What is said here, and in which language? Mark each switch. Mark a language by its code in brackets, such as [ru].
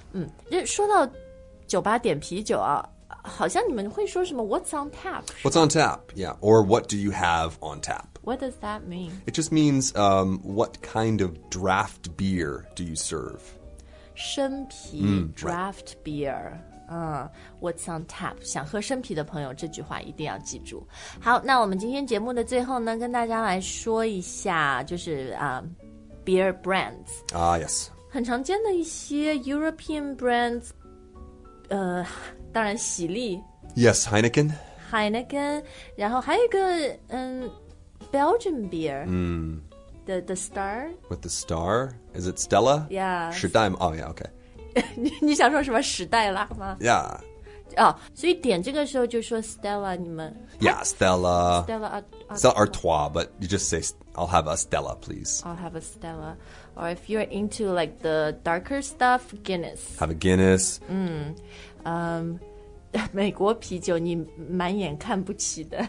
[zh] 嗯、说到酒吧点啤酒啊好像你们会说什么 [en] What's on tap? What's on tap? Yeah. Or what do you have on tap? What does that mean? It just means、what kind of draft beer do you serve? [zh] 生啤、mm, draft、 [en] right. beer. What's on tap? [zh] 想喝生啤的朋友这句话一定要记住。好，那我们今天节目的最后呢，跟大家来说一下，就是beer brands. [en] Yes. [zh] 很常见的一些 European brands, 当然喜力。 [en] Yes, Heineken. Heineken, [zh] 然后还有一个 [en] Belgian beer. The star? With the star? Is it Stella? Yeah. Schiedam? Oh, yeah, okay. [zh] 你想说什么史黛拉吗 [en] Yeah. [zh] 所以点这个时候就说 Stella, 你们 [en] Yeah, Stella. Stella Artois, but you just say, I'll have a Stella, please. I'll have a Stella. Or if you're into like the darker stuff, Guinness. Have a Guinness. [zh] 美国啤酒你满眼看不起的。